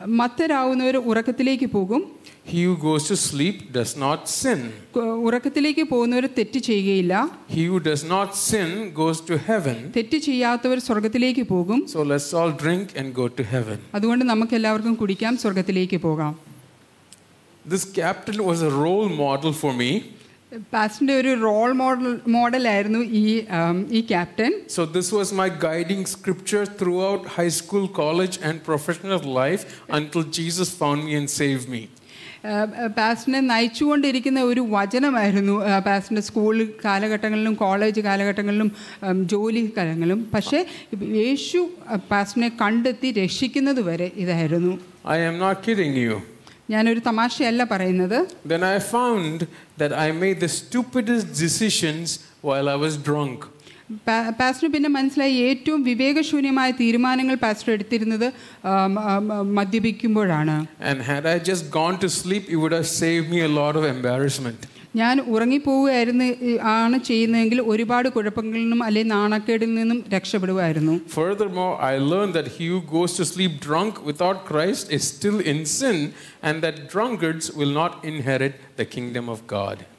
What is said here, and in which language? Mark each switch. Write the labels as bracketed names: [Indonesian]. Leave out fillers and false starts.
[Malayalam] മത്തരാകുന്നവർ ഉറക്കത്തിലേക്ക് പോകും. [English] He who goes to sleep does not sin. [Malayalam] ഉറക്കത്തിലേക്ക് പോകുന്നവർ തെറ്റ് ചെയ്യുകയില്ല. [English] He who does not sin goes to heaven. [Malayalam] തെറ്റ് ചെയ്യാത്തവർ സ്വർഗ്ഗത്തിലേക്ക് പോകും. [English] So let's all drink and go to heaven. [Malayalam] അതുകൊണ്ട് നമുക്കെല്ലാവർക്കും കുടിക്കാം, സ്വർഗ്ഗത്തിലേക്ക് പോകാം. [English] This captain was a role model for me. [Malayalam] പാസ്റ്ററിന്റെ ഒരു റോൾ മോഡൽ ആയിരുന്നു ഈ captain. [English] So this was my guiding scripture throughout high school, college and professional life until Jesus found me and save me. [Malayalam] പാസ്റ്ററിനെ നയിച്ചുകൊണ്ടിരിക്കുന്ന ഒരു വചനമായിരുന്നു പാസ്റ്ററിന്റെ school കാലഘട്ടങ്ങളിലും college കാലഘട്ടങ്ങളിലും ജോലി കാലങ്ങളിലും. പക്ഷേ യേശു പാസ്റ്ററിനെ കണ്ടെത്തി രക്ഷിക്കുന്നത് വരെ ഇതായിരുന്നു. [English] I am not kidding you. [Malayalam] ഞാനൊരു തമാശയല്ല പറയുന്നത്. [English] Then I found that I made the stupidest decisions while I was drunk. [Malayalam] Pastor പിന്നെ മനസ്സിലായി ഏറ്റവും വിവേകശൂന്യമായ തീരുമാനങ്ങൾ പാസ്റ്റർ എടുത്തിരുന്നത് മദ്യപിക്കുമ്പോഴാണ്. [English] And had I just gone to sleep, it would have saved me a lot of embarrassment. [Malayalam] ഞാൻ ഉറങ്ങിപ്പോവുകയായിരുന്നു ആണ് ചെയ്യുന്നതെങ്കിൽ ഒരുപാട് കുഴപ്പങ്ങളിൽ നിന്നും അല്ലെങ്കിൽ നാണക്കേടിൽ നിന്നും രക്ഷപ്പെടുമായിരുന്നു. [English] Furthermore, I learned that he who goes to sleep drunk without Christ is still in sin, and that drunkards will not inherit the kingdom of God.